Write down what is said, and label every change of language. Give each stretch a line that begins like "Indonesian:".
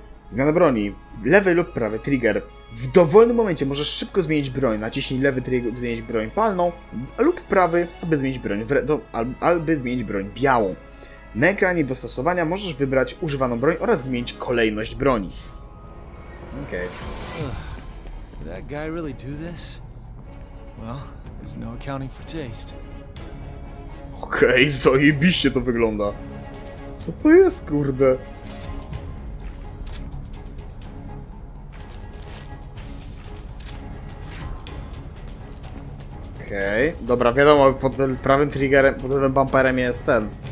Polish: Zmiana broni. Lewy lub prawy trigger. W dowolnym momencie możesz szybko zmienić broń. Naciśnij lewy trigger, aby zmienić broń palną, lub prawy, aby zmienić broń, białą. Na ekranie dostosowania możesz wybrać używaną broń oraz zmienić kolejność broni. Okej. Czy ten
English: guy really do this? Well, there's no accounting for taste.
Polish: Okej, zajebiście to wygląda. Co to jest, kurde? Okej, okay. Dobra, wiadomo, pod prawym triggerem, pod lewym bumperem jest ten.